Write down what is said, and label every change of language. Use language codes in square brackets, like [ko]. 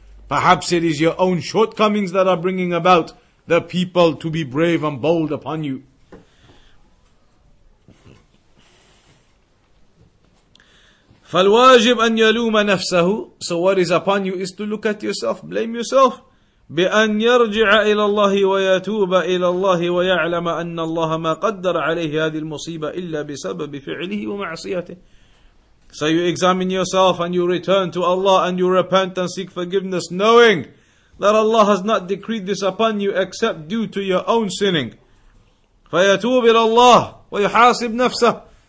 [en] Perhaps it is your own shortcomings that are bringing about the people to be brave and bold upon you. [ar] فالواجب أن يلوم نفسه. [en] So what is upon you is to look at yourself, blame yourself. [ar] بأن يرجع إلى الله ويتوب إلى الله ويعلم أن الله ما قدر عليه هذه المصيبة إلا بسبب فعله ومعصيته. [en] So you examine yourself and you return to Allah and you repent and seek forgiveness, knowing that Allah has not decreed this upon you except due to your own sinning. [ar] فيتوب إلى الله ويحاسب نفسه.